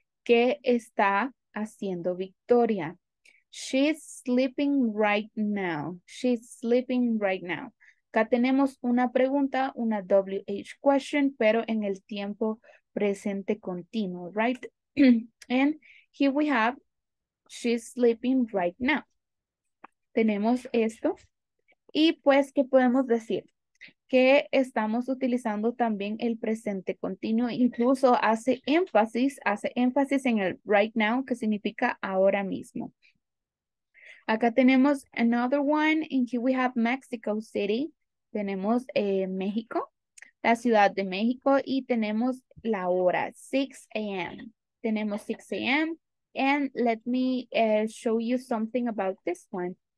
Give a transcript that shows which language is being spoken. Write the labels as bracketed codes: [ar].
[es] ¿Qué está haciendo Victoria? [en] She's sleeping right now. She's sleeping right now. [es] Acá tenemos una pregunta, una WH question, pero en el tiempo presente continuo, right? [en] And here we have, she's sleeping right now. [es] Tenemos esto. Y pues, ¿qué podemos decir? Que estamos utilizando también el presente continuo. Incluso hace énfasis en el [en] right now, [es] que significa ahora mismo. Acá tenemos [en] another one, and here we have Mexico City. [es] Tenemos México, la Ciudad de México, y tenemos la hora, 6 a.m. Tenemos 6 a.m. [en] And let me show you something about this one.